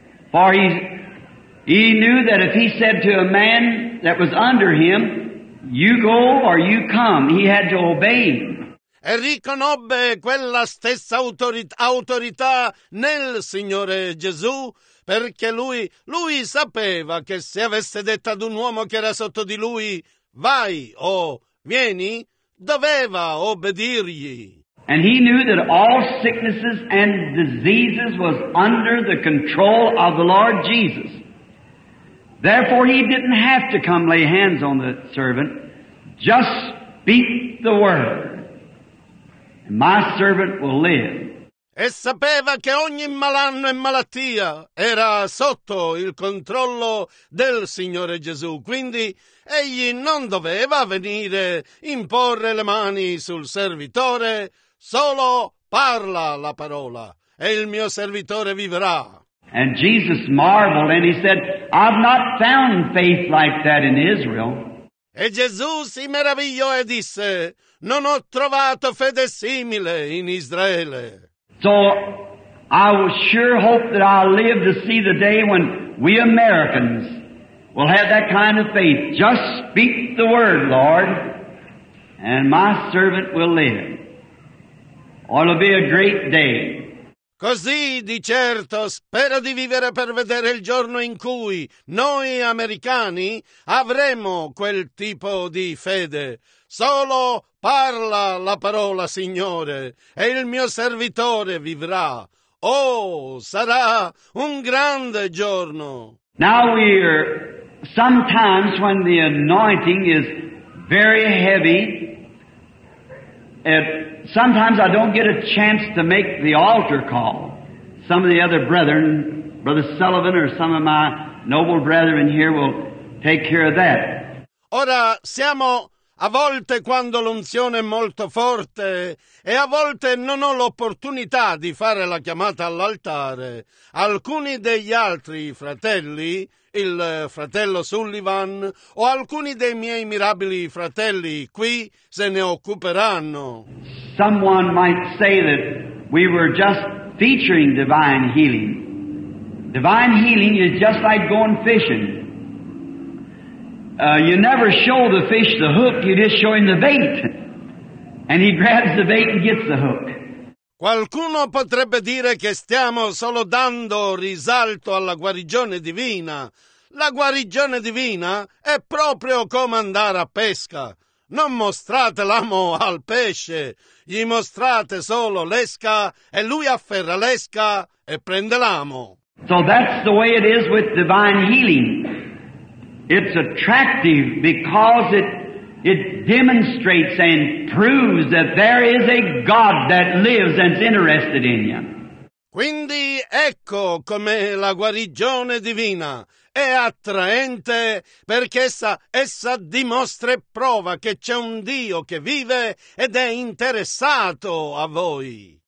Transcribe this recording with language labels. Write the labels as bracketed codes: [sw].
[en] For he knew that if he said to a man that was under him, you go or you come, he had to obey. [it] E riconobbe quella stessa autorità nel Signore Gesù, perché lui sapeva che se avesse detto ad un uomo che era sotto di lui, vai o vieni, doveva obbedirgli. [en] And he knew that all sicknesses and diseases was under the control of the Lord Jesus. Therefore, he didn't have to come lay hands on the servant. Just speak the word, and my servant will live. [it] E sapeva che ogni malanno e malattia era sotto il controllo del Signore Gesù. Quindi egli non doveva venire imporre le mani sul servitore. Solo parla la parola, e il mio servitore vivrà. [en] And Jesus marveled, and he said, I've not found faith like that in Israel. [it] E Gesù si meravigliò e disse, non ho trovato fede simile in Israele. [en] So I sure hope that I'll live to see the day when we Americans will have that kind of faith. Just speak the word, Lord, and my servant will live. Or it'll be a great day. [it] Così, di certo, spero di vivere per vedere il giorno in cui noi americani avremo quel tipo di fede. Solo parla la parola, Signore, e il mio servitore vivrà. Oh, sarà un grande giorno. [en] Now we're sometimes when the anointing is very heavy, sometimes I don't get a chance to make the altar call. Some of the other brethren, Brother Sullivan or some of my noble brethren here will take care of that. [it] Ora, siamo a volte quando l'unzione è molto forte e a volte non ho l'opportunità di fare la chiamata all'altare. Alcuni degli altri fratelli, il fratello Sullivan o alcuni dei miei mirabili fratelli qui se ne occuperanno. [en] Someone might say that we were just featuring divine healing. Divine healing is just like going fishing. You never show the fish the hook, you just show him the bait. And he grabs the bait and gets the hook. [it] Qualcuno potrebbe dire che stiamo solo dando risalto alla guarigione divina. La guarigione divina è proprio come andare a pesca. Non mostrate l'amo al pesce, gli mostrate solo l'esca e lui afferra l'esca e prende l'amo. [en] So that's the way it is with divine healing. It's attractive because it demonstrates and proves that there is a God that lives and is interested in you. [it] Quindi ecco com'è la guarigione divina. È attraente perché essa dimostra e prova che c'è un Dio che vive ed è interessato a voi.